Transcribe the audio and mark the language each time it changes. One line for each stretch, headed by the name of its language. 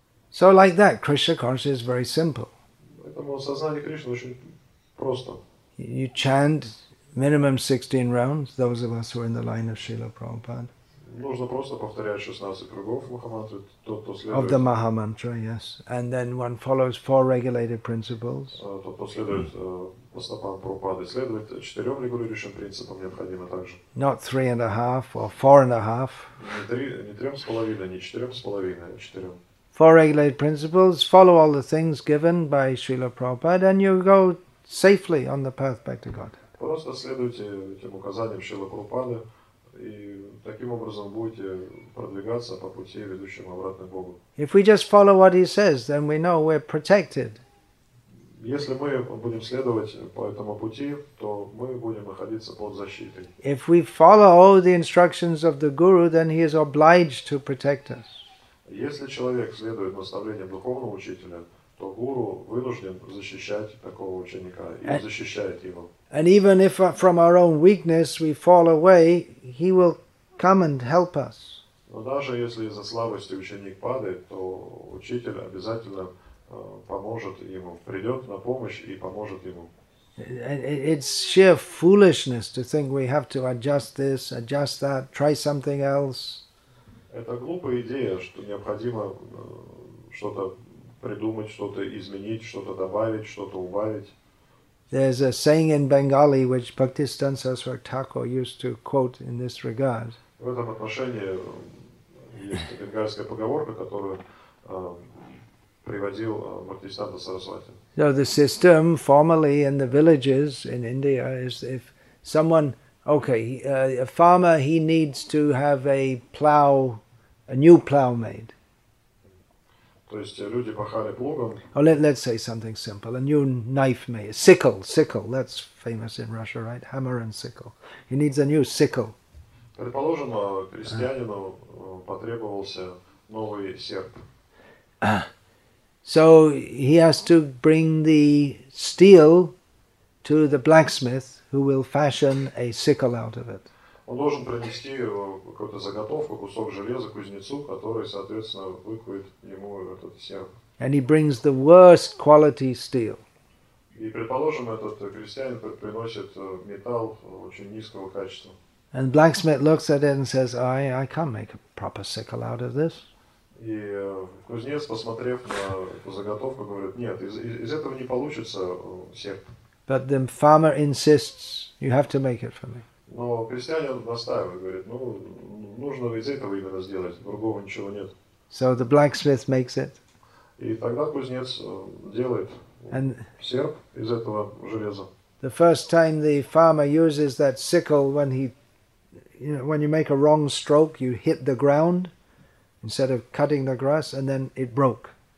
English: So like that, Krishna consciousness is very simple.
Russian: Поэтому сознание Кришны очень просто.
English: You chant minimum 16 rounds, those of us who are in the line of Srila Prabhupada.
Russian: Нужно просто повторять 16 кругов Махамантры, тот, кто следует.
English: Of the Mahamantra, yes. And then one follows four regulated principles.
Russian: Тот, кто следует по стопам Прабхупады, следует четырем регулирующим принципам, необходимо также.
English: Not three and a half or four and a half.
Russian: Не трем с половиной, не четырем с половиной, а четырем.
English: Four regulated principles, follow all the things given by Srila Prabhupada, and you go safely on the path back to God.
Russian: Просто следуйте этим указаниям Шрилы Прабхупады, и таким образом будете продвигаться по пути, ведущему обратно к Богу.
English: If we just follow what he says, then we know we're protected.
Russian: Если мы будем следовать по этому пути, то мы будем находиться под защитой.
English: If we follow all the instructions of the Guru, then he is obliged to protect us.
Russian: Если человек следует наставлениям духовного учителя, то гуру вынужден защищать такого ученика и защищает его.
English: And even if from our own weakness we fall away, he will come and help us.
Russian: Но даже если из-за слабости ученик падает, то учитель обязательно поможет ему, придет на помощь и поможет ему.
English: It's sheer foolishness to think we have to adjust this, adjust that, try something else.
Russian: Это глупая идея, что необходимо что-то придумать, что-то изменить, что-то добавить, что-то убавить.
English: There's a saying in Bengali which Bhaktisiddhanta Saraswati Thakur used to quote in this regard.
Russian: В этом отношении есть бенгальская поговорка, которую приводил Бхактисиддханта Сарасвати.
English: So the system formally in the villages in India is if someone, a farmer, he needs to have a plow. A new plow made.
Russian: То есть люди пахали плугом.
English: Or let's say something simple. A new knife made. Sickle. That's famous in Russia, right? Hammer and sickle. He needs a new sickle.
Russian: Предположим, крестьянину потребовался новый серп.
English: So he has to bring the steel to the blacksmith who will fashion a sickle out of it.
Russian: Он должен принести какую-то заготовку, кусок железа кузнецу, который, соответственно, выкует ему этот серп.
English: And he brings the worst quality steel.
Russian: И предположим, этот крестьянин приносит металл очень низкого качества.
English: And blacksmith looks at it and says, I can't make a proper sickle out of this.
Russian: И кузнец, посмотрев на заготовку, говорит, нет, из этого не получится серп.
English: But the farmer insists, you have to make it for me.
Russian: Но крестьянин настаивает, говорит, ну, нужно из этого именно сделать, другого ничего нет.
English: So the blacksmith makes it.
Russian: И тогда кузнец делает and серп из этого железа.
English: The first time the farmer uses that sickle when he, you know, when you make a wrong stroke, you hit the ground instead of cutting the grass, and then it broke.